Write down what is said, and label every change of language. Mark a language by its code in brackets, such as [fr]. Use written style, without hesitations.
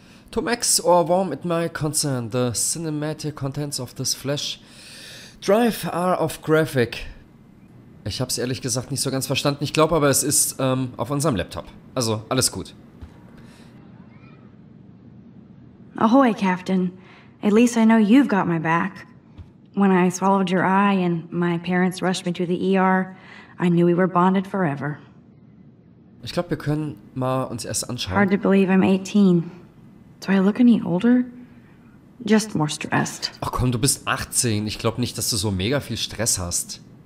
[en] To Max or Warren at my concern, the cinematic contents of this flash drive are of graphic. [de] Ich hab's ehrlich gesagt nicht so ganz verstanden. Ich glaube aber, es ist auf unserem Laptop. Also, alles gut. [en] Ahoy, Captain. At least I know you've got my back. When I swallowed your eye and my parents rushed me to the ER, I knew we were bonded forever. [de] Ich glaube, wir können mal uns erst anschauen. [en] Hard to believe I'm 18. Do I look any older? Just more stressed. [de] Ach komm, du bist 18. Ich glaube nicht, dass du so mega viel Stress hast.